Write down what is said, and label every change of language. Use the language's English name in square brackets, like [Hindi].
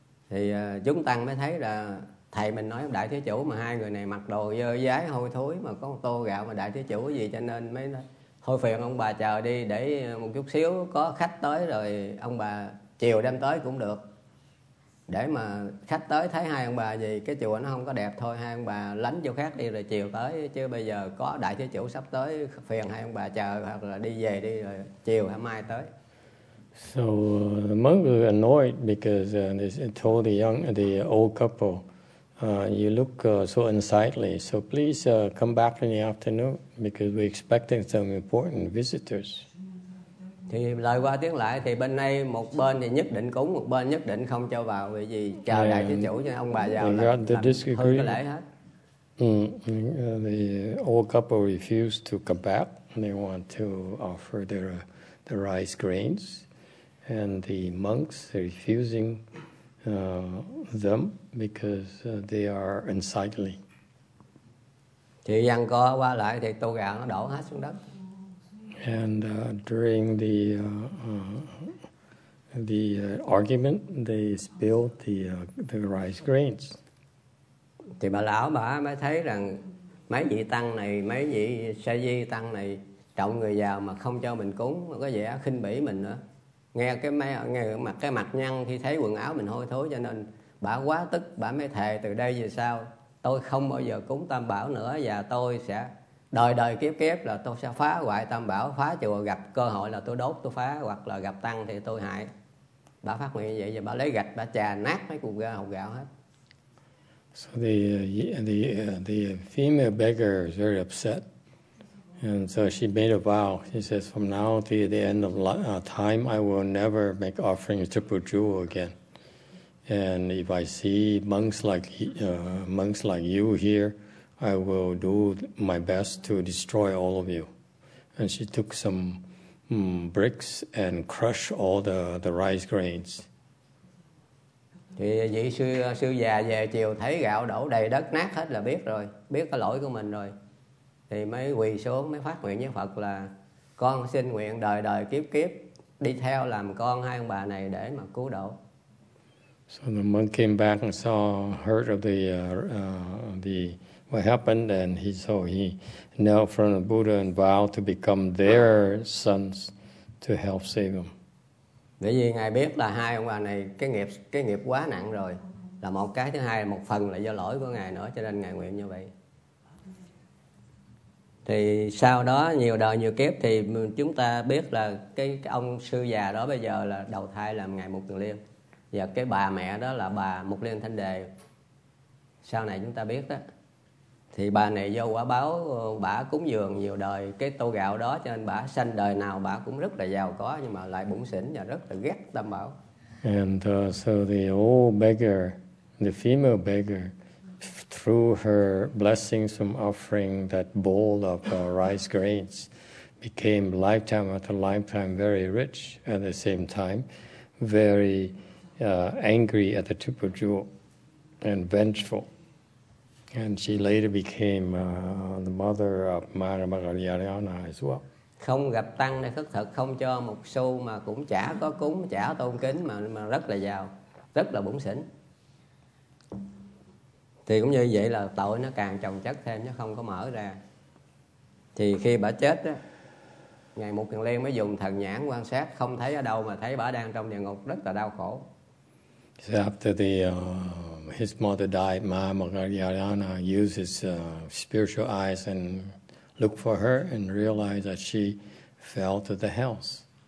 [Vietnamese] Thì chúng tăng mới thấy là thầy mình nói đại thế chủ mà hai người này mặc đồ dơ dái hôi thối mà có một tô gạo mà đại thế chủ gì, cho nên mới nói thôi phiền ông bà chờ đi, để một chút xíu có khách tới rồi ông bà chiều đem tới cũng được. Để mà khách tới thấy hai ông bà gì, cái chùa nó không có đẹp thôi, hai ông bà lánh chỗ khác đi rồi chiều tới. Chứ bây giờ có đại thế chủ sắp tới, phiền hai ông bà chờ hoặc là đi về đi rồi chiều hôm mai tới. [English] So the monk was annoyed because they told the old couple, you look so unsightly, so please come back in the afternoon because we're expecting some important visitors. [Vietnamese] Thì lời qua tiếng lại thì bên đây một bên thì nhất định cúng, một bên nhất định không cho vào, vì gì chờ đại thế chủ cho ông bà vào là hư cái lễ hết. [English] The old couple refused to come back. They want to offer the rice grains, and the monks refusing them because they are unsightly. [Vietnamese] Thì dằn co qua lại thì tô gạo nó đổ hết xuống đất. [English] And during the argument, they spilled the rice grains. [Vietnamese] Thì bà lão bà mới thấy rằng mấy vị tăng này, mấy vị sa di tăng này trọng người giàu mà không cho mình cúng, có vẻ khinh bỉ mình nữa. Nghe cái mấy nghe mặt cái mặt nhăn khi thấy quần áo mình hôi thối, cho nên bà quá tức, bà mới thề từ đây về sau tôi không bao giờ cúng Tam Bảo nữa, và tôi sẽ đời đời kiếp kiếp là tôi sẽ phá hoại Tam Bảo, phá chùa, gặp cơ hội là tôi đốt tôi phá, hoặc là gặp tăng thì tôi hại. Bà phát nguyện như vậy, và bà lấy gạch bà chà nát mấy cục hột gạo hết. [English] So the female beggar is very upset, and so she made a vow. She says, from now to the end of time, I will never make offering to put jewel again. And if I see monks like you here, I will do my best to destroy all of you. And she took some bricks and crushed all the rice grains. [Vietnamese] Thì vị sư già về chiều thấy gạo đổ đầy đất nát hết là biết rồi, biết cái lỗi của mình rồi. Thì mới quỳ xuống, mới phát nguyện với Phật là con xin nguyện đời đời kiếp kiếp đi theo làm con hai ông bà này để mà cứu độ. [English] So the monk came back and saw, heard of the what happened, and he knelt in front of the Buddha and vowed to become their sons to help save him. [Vietnamese] Bởi vì ngài biết là hai ông bà này cái nghiệp quá nặng rồi, là một cái, thứ hai là một phần là do lỗi của ngài nữa, cho nên ngài nguyện như vậy. Thì sau đó nhiều đời nhiều kiếp thì chúng ta biết là cái ông sư già đó bây giờ là đầu thai làm ngài Mục Tuần Liên, và cái bà mẹ đó là bà Mục Liên Thanh Đề, sau này chúng ta biết đó. Thì bà này do quả báo bả cúng dường nhiều đời cái tô gạo đó, cho nên bả sanh đời nào bả cũng rất là giàu có, nhưng mà lại bủn xỉn và rất là ghét Tam Bảo. [English] And so the old beggar, the female beggar, through her blessings from offering that bowl of rice grains, became lifetime after lifetime very rich, at the same time very angry at the triple jewel and vengeful. And she later became the mother of Mara Magalyana as well. [Vietnamese] Không gặp tăng để khất thực, không cho một xu mà cũng chả có cúng, chả tôn kính mà rất là giàu, rất là bủn xỉn. Thì cũng như vậy là tội nó càng chồng chất thêm, chứ không có mở ra. Thì khi bà chết á, ngày Mục Tuần Liên mới dùng thần nhãn quan sát, không thấy ở đâu mà thấy bà đang trong địa ngục rất là đau khổ. [English] So after the his mother died, Ma Magalyana used his spiritual eyes and looked for her and realized that she fell to the hells.